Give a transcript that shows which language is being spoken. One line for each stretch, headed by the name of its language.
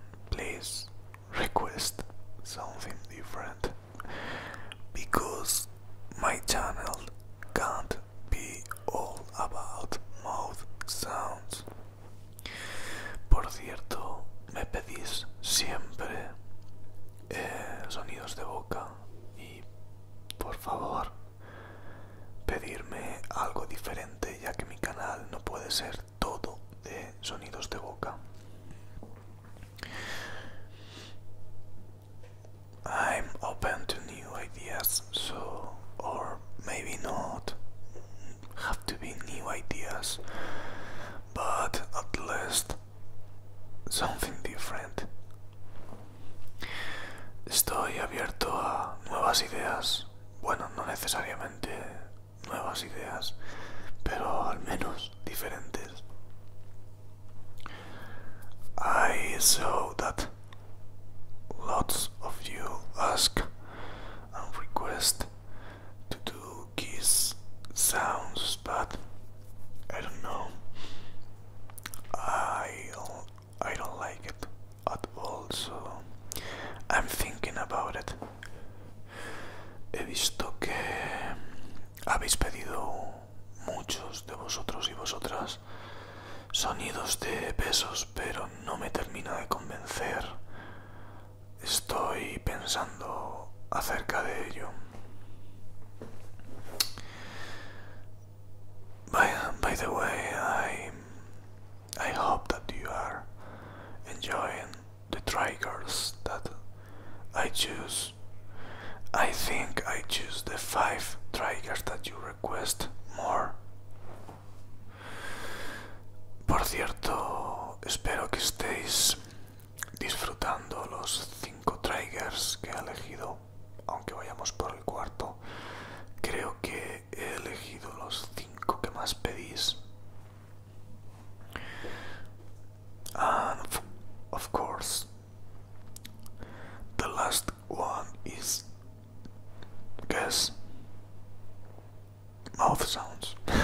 English: Please request something different because my channel can't be all about mouth sounds.
Spanish: Por cierto, me pedís siempre sonidos de boca y por favor pedirme algo diferente, ya que mi canal no puede ser todo de sonidos de boca.
English: I'm open to new ideas, so or maybe not have to be new ideas, but at least something different.
Spanish: Estoy abierto a nuevas ideas. Bueno, no necesariamente nuevas ideas, pero al menos diferentes.
English: I saw that lots of you ask and request to do kiss sounds, but I don't know. I don't like it at all, so I'm thinking about it.
Spanish: He visto que habéis pedido muchos de vosotros y vosotras sonidos de besos, pero no me termina de convencer. Estoy pensando acerca de ello.
English: By the way, I hope that you are enjoying the triggers that I choose. I think I choose the 5 triggers that you request more.
Spanish: Por cierto, espero que estéis disfrutando los 5 triggers que he elegido, aunque vayamos por el cuarto. Creo que he elegido los 5 que más pedís.
English: And of course, the last one is guess mouth sounds.